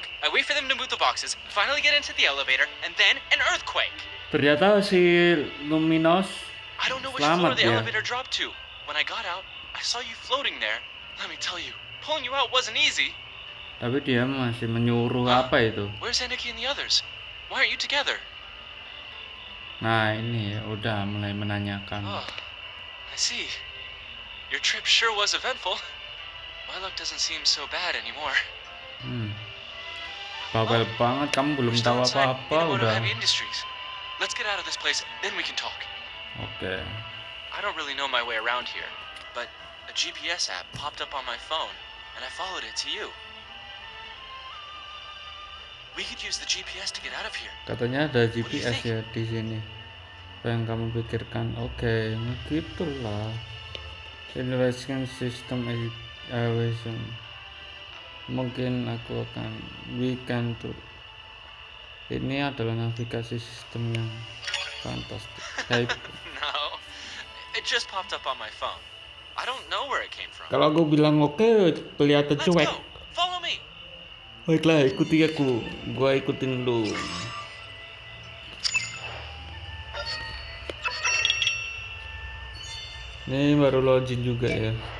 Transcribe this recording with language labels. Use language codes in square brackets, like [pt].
[en] I wait for them to move the boxes, finally get into the elevator, and then an earthquake. [id] Ternyata si Luminous. [en] I don't know which floor the elevator dropped to. When I got out, I saw you floating there. Let me tell you, pulling you out wasn't easy. [id] Tapi dia masih menyuruh apa itu? [en] Where's Anaki and the others? Why aren't you together? [id] Nah, ini udah mulai menanyakan. [en] I see. Your trip sure was eventful. My luck doesn't seem so bad anymore. [id] Bawel banget, kamu belum tahu apa-apa udah. [en] Let's get out of this place, then we can talk. Okay. I don't really know my way around here, but a GPS app popped up on my phone, and I followed it to you. We could use the GPS to get out of here. [id] Katanya ada GPS ya di sini. Apa yang kamu pikirkan? Okay, begitulah. [en] Investigation system is awesome. [id] Mungkin aku akan weekend tuh. Ini adalah navigasi sistem yang fantastis. [en] No, it just popped up on my phone. I don't know where it came from. [id] Kalau aku bilang oke, kelihatan cuek. [en] Follow me. [id] Baiklah, ikuti aku. Gua ikutin lu. Ini baru login juga ya.